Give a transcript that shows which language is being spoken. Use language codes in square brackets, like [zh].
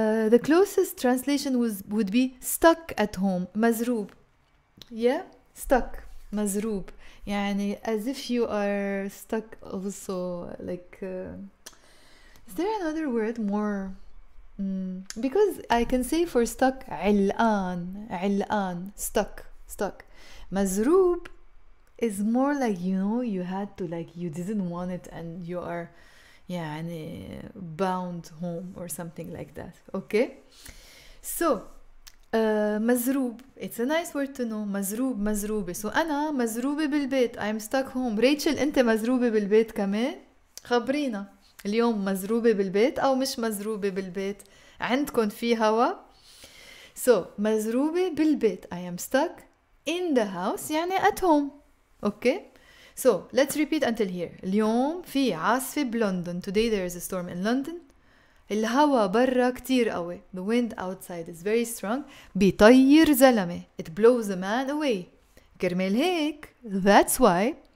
[en] the closest translation would be stuck at home مزروب yeah stuck [ar] مزروب يعني [en] as if you are stuck also is there another word more because I can say for stuck [ar] علقان علقان [en] stuck مزروب is more like, you know, you had to, like, you didn't want it and you are, يعني bound home or something like that. Okay, so مزروب, it's a nice word to know. [ar] مزروب, مزروبة. So أنا مزروبة بالبيت, [en] I'm stuck home. [ar] ريتشل أنت مزروبة بالبيت كمان؟ خبرينا اليوم مزروبة بالبيت أو مش مزروبة بالبيت؟ عندكن في هوا؟ So مزروبة بالبيت, [en] I am stuck in the house, [ar] يعني [en] at home. Okay, so let's repeat until here. [ar] اليوم في عاصفة بلندن. [en] Today there is a storm in London. [ar] الهواء برا كتير قوي. [en] The wind outside is very strong. [ar] بيطير زلمة. [en] It blows a man away. [ar] كرمال هيك. [en] That's why.